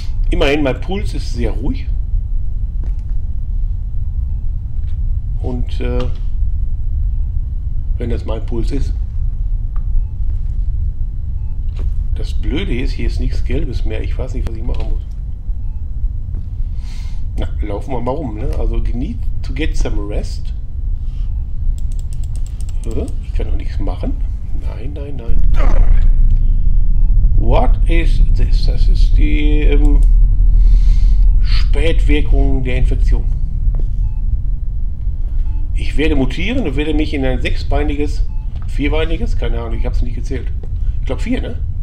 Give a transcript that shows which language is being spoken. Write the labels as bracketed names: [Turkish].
[German] Immerhin, mein Puls ist sehr ruhig. Und wenn das mein Puls ist. Das Blöde ist, hier ist nichts Gelbes mehr. Ich weiß nicht, was ich machen muss. Na, laufen wir mal rum. Ne? [English] Also, need to get some rest. [German] Ich kann doch nichts machen. Nein, nein, nein. [English] What is this? [German] Das ist die Spätwirkung der Infektion. Ich werde mutieren und werde mich in ein sechsbeiniges, vierbeiniges, keine Ahnung, ich habe es nicht gezählt. Ich glaube vier, ne?